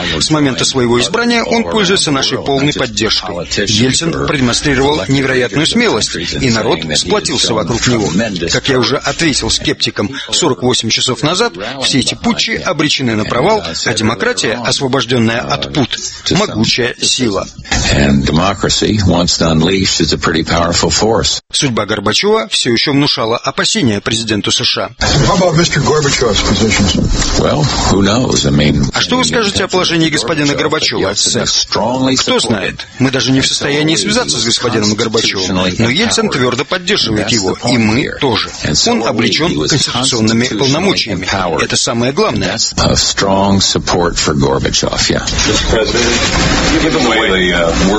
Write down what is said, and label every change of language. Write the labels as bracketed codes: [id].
[ru] С момента своего избрания он пользуется нашей полной поддержкой. Ельцин продемонстрировал невероятную смелость, и народ сплотился вокруг него. Как я уже ответил скептикам 48 часов назад, все эти путчи обречены на провал, а демократия, освобожденная от пут, могучая сила. [en] And democracy, once unleashed, is a pretty powerful force. [ru] Судьба Горбачева все еще внушала опасения президенту США. [en] How about Mr. Gorbachev's position? Well, who knows? I mean, [ru] а что вы скажете о положении господина Горбачева, сэр? Кто знает? Мы даже не в состоянии связаться с господином Горбачевым, но Ельцин твердо поддерживает его, и мы тоже. Он облечен конституционными полномочиями. Это самое главное. [en] A strong support for Gorbachev, yeah. Mr. President, give him away the...